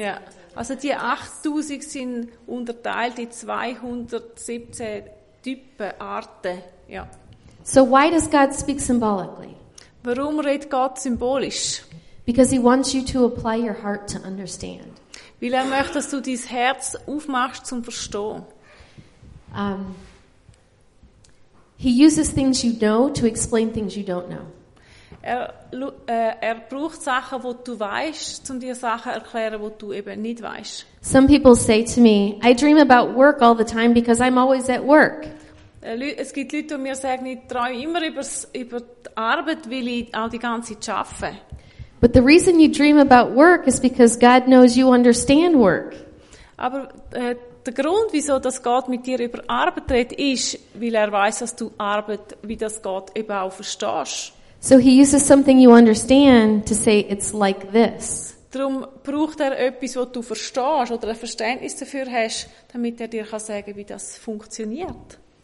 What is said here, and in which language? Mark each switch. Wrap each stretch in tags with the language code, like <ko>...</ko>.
<de>Ja. Also die 8,000 sind unterteilt in 217 Typen, Arten. Ja.</de> <en>So why does God speak symbolically?</en> <de>Warum redet Gott symbolisch?</de> <en>Because he wants you to apply your heart to understand.</en> <de>Weil er möchte, dass du dein Herz aufmachst zum Verstehen.</de> <en>He uses things you know to explain things you don't know.</en> <de>Er braucht Sachen, wo du weißt, um dir Sachen erklären, wo du eben nicht weißt.</de> <en>Some people say to me, I dream about work all the time because I'm always at work.</en> <de>Es gibt Leute, die mir sagen, ich träume immer über die Arbeit, weil ich auch die ganze Zeit arbeite.</de> <en>But the reason you dream about work is because God knows you understand work.</en> <de>Aber der Grund, wieso dass Gott mit dir über Arbeit redet, ist, weil er weiß, dass du Arbeit, wie das Gott eben auch verstehst.</de> <en>So he uses something you understand to say it's like this.</en> <de>Darum braucht er etwas, was du verstehst oder ein Verständnis dafür hast, damit er dir kann sagen, wie das funktioniert.</de>